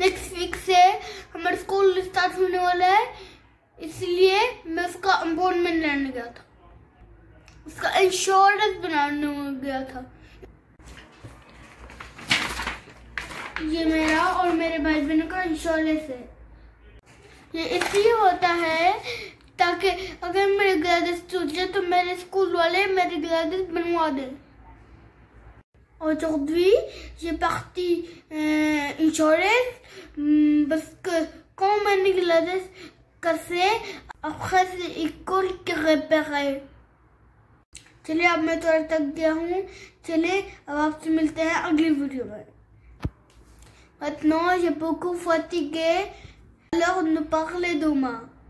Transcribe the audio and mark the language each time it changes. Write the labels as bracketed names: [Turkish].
[Hindi] Next week से हमारा school start होने वाला है, इसलिए मैं उसका अपॉइंटमेंट लेने गया था, उसका इंश्योरेंस बनाने गया था। ये मेरा और मेरे भाई बहनों का इंश्योरेंस है। ये इसलिए होता है ताकि अगर मेरे ग्लासेस टूट जाए तो मेरे स्कूल वाले मेरे ग्लासेस बनवा दें। [French] Aujourd'hui, j'ai parti insurance parce que quand mes glasses cassées, après l'école qui réparait. [Hindi] चलिए अब मैं थोड़ा थक गया हूँ। चलिए अब आपसे मिलते हैं अगली वीडियो में। [French] Maintenant, j'ai beaucoup fatigué. Alors, nous parlons demain.